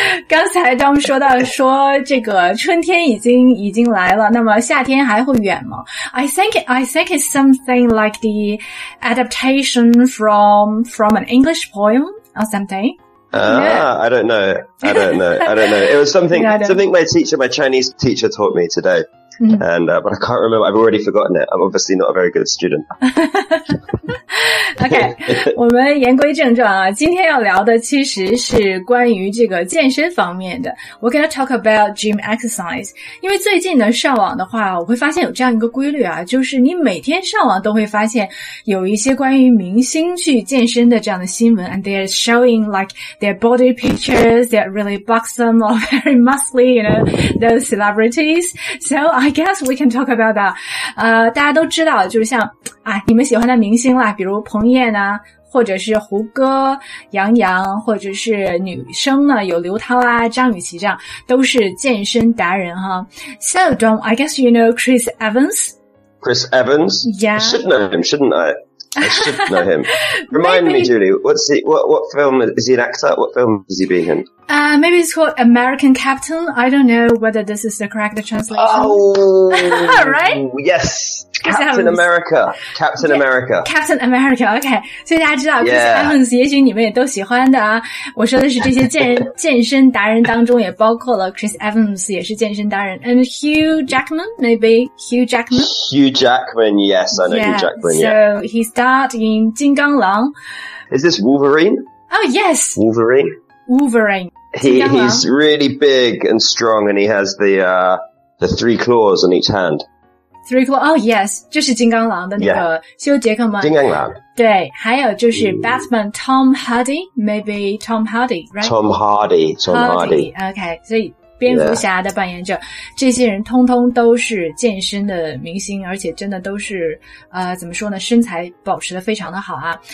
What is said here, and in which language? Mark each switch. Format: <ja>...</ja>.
<zh>刚才Dom说到说这个春天已经来了，那么夏天还会远吗？</zh> <en>I think it's something like the adaptation from an English poem or something. I don't know. It was something my Chinese teacher taught me today. Mm-hmm. And, but I can't remember, I've already forgotten it. I'm obviously not a very good student.</en> <zh>OK, 我们言归正传啊，今天要聊的其实是关于这个健身方面的。</zh> <en>We're going to talk about gym exercise.</en> <zh>因为最近呢，上网的话，我会发现有这样一个规律啊，就是你每天上网都会发现有一些关于明星去健身的这样的新闻 ,</zh> <en>and they're showing like their body pictures, they're really buxom or very muscly, you know, those celebrities. So,I guess we can talk about that.</en> <zh>大家都知道，就是像啊，你们喜欢的明星啦，比如彭晏啊，或者是胡歌、杨洋，或者是女生呢，有刘涛啊、张雨绮这样，都是健身达人哈。</zh> <en>So, Dom, I guess you know Chris Evans. Chris Evans. Yeah. I should know him, shouldn't I? I should know him. Remind me, Julie. What's he? What film is he an actor? What film is he being in? Maybe it's called American Captain. I don't know whether this is the correct translation. Oh, right? Yes. Captain America. Yeah, Captain America, okay.</en> <zh>所以大家知道 Chris Evans 也许你们也都喜欢的啊。我说的是这些健身达人当中也包括了 Chris Evans 也是健身达人。</zh> <en>And Hugh Jackman? Hugh Jackman, yes, I know Hugh Jackman, yeah. So he starred in 金刚狼。 Is this Wolverine? Oh, yes. Wolverine. He's really big and strong and he has the three claws on each hand. Three claws? Oh, yes.</en> <zh>就是金刚狼的那个修杰克曼。金刚狼。对。还有就是 Batman, Tom Hardy,</zh> <en>maybe Tom Hardy, right? Tom Hardy.</en> <zh>Okay. 所以蝙蝠侠的扮演者、yeah. 这些人通通都是健身的明星而且真的都是怎么说呢身材保持得非常的好啊。</zh>